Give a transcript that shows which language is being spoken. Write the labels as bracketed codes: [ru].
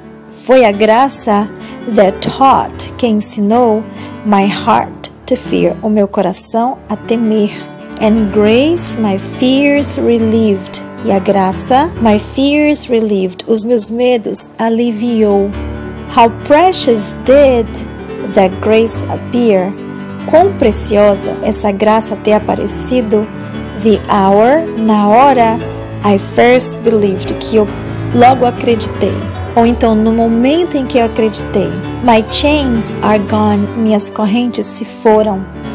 [pt] Foi a graça [en] that taught, [pt] que ensinou, [en] my heart to fear, [pt] o meu coração a temer. [en] And grace, my fears relieved. [pt] E a graça, [en] my fears relieved, [pt] os meus medos aliviou. [en] How precious did that grace appear? [pt] Quão preciosa essa graça ter aparecido? [en] The hour, [pt] na hora, [en] I first believed, [pt] que eu logo acreditei. Ou então, no momento em que eu acreditei. [en] My chains are gone. [pt] Minhas correntes se foram.